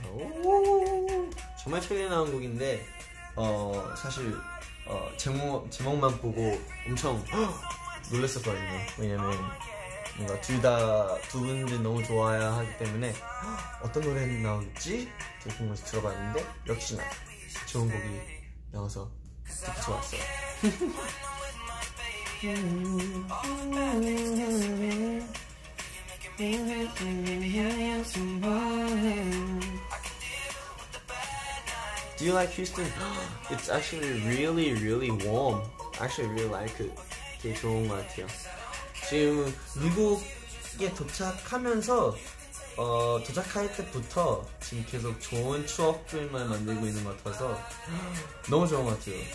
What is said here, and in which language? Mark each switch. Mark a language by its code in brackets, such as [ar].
[ko] 오, 정말 최근에 나온 곡인데 사실 제목만 보고 엄청 놀랐었거든요. 왜냐면 뭔가 두 분들 너무 좋아야 하기 때문에 어떤 노래 나올지 되게 궁금해서 들어봤는데 역시나 좋은 곡이 나와서 되게 좋았어요. [en] Do you like Houston? It's actually really, really warm. I actually really like it. [ko] 되게 좋은 것 같아요. 지금 미국에 도착하면서 도착할 때부터 지금 계속 좋은 추억들만 만들고 있는 것 같아서 너무 좋은 것 같아요.